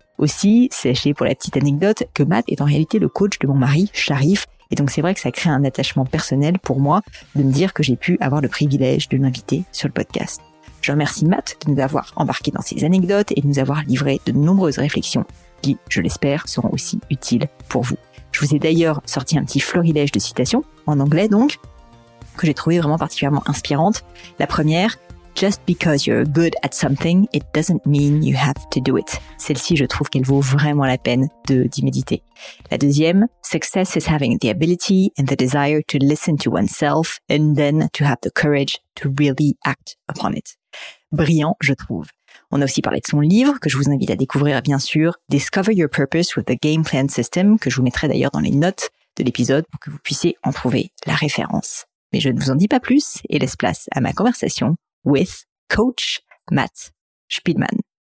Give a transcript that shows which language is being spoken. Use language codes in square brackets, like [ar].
[fr] Aussi, sachez pour la petite anecdote que Matt est en réalité le coach de mon mari, Sharif, et donc c'est vrai que ça crée un attachement personnel pour moi de me dire que j'ai pu avoir le privilège de l'inviter sur le podcast. Je remercie Matt de nous avoir embarqué dans ses anecdotes et de nous avoir livré de nombreuses réflexions qui, je l'espère, seront aussi utiles pour vous. Je vous ai d'ailleurs sorti un petit florilège de citations, en anglais donc, que j'ai trouvé vraiment particulièrement inspirante. La première, [en] « Just because you're good at something, it doesn't mean you have to do it ». [fr] Celle-ci, je trouve qu'elle vaut vraiment la peine d'y méditer. La deuxième, [en] « Success is having the ability and the desire to listen to oneself and then to have the courage to really act upon it ». [fr] Brillant, je trouve. On a aussi parlé de son livre, que je vous invite à découvrir, bien sûr, Discover Your Purpose with the Game Plan System, que je vous mettrai d'ailleurs dans les notes de l'épisode pour que vous puissiez en trouver la référence. Mais je ne vous en dis pas plus et laisse place à ma conversation [en] with [fr] Coach Matt Spielmann.